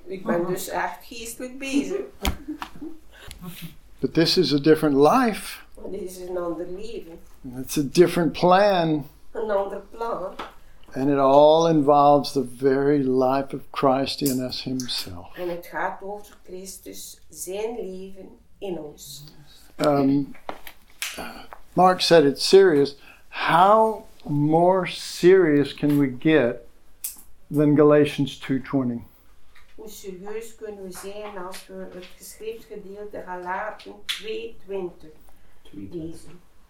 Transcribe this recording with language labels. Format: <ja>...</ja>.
<nl>Ik ben dus echt geestelijk bezig.</nl> <en>But this is a different life. This is an</en> <nl>ander leven.</nl> <en>It's a different plan.</en> <nl>Een ander plan.</nl> <en>And it all involves the very life of Christ in us himself.</en> <nl>En het gaat over Christus, zijn leven in ons.</nl> <en>Mark said it's serious. How more serious can we get than Galatians 2:20?</en> <nl>Hoe serieus kunnen we zijn als we het geschriftgedeelte Galaten 2:20 lezen?</nl>